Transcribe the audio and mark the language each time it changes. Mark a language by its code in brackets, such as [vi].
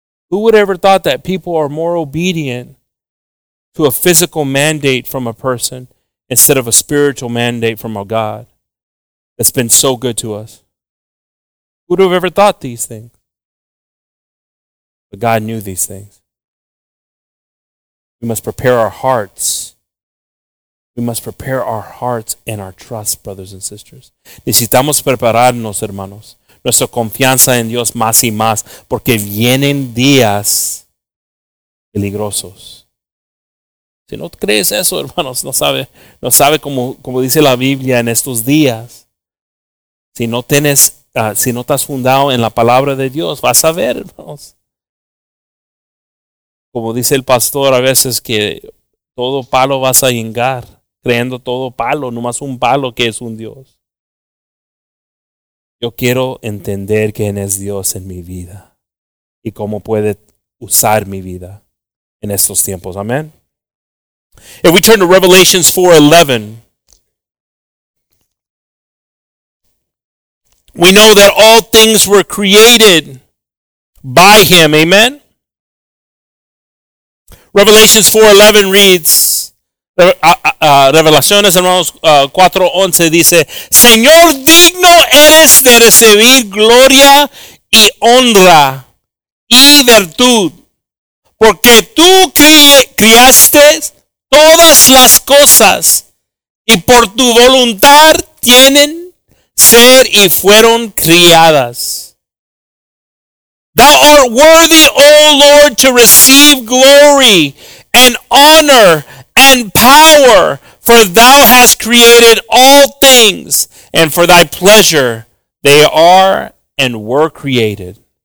[en] Who would ever thought that people are more obedient to a physical mandate from a person instead of a spiritual mandate from a God that's been so good to us? Who would have ever thought these things? But God knew these things. We must prepare our hearts. We must prepare our hearts and our trust, brothers and sisters. [es] Necesitamos prepararnos, hermanos. Nuestra confianza en Dios más y más, porque vienen días peligrosos. Si no crees eso, hermanos, no sabe como dice la Biblia en estos días. Si no estás fundado en la palabra de Dios, vas a ver, hermanos. Como dice el pastor a veces, que todo palo vas a hingar, creyendo todo palo, nomás un palo que es un Dios. Yo quiero entender quién es Dios en mi vida y cómo puede usar mi vida en estos tiempos. Amén. [en] If we turn to Revelations 4:11, we know that all things were created by Him. Amen. Revelations 4:11 reads, [es] Revelaciones, hermanos, 4:11 dice, Señor, digno eres de recibir gloria y honra y virtud, porque tú creaste todas las cosas y por tu voluntad tienen ser y fueron criadas. [en] Thou art worthy, O Lord, to receive glory and honor and power, for thou hast created all things, and for thy pleasure they are and were created.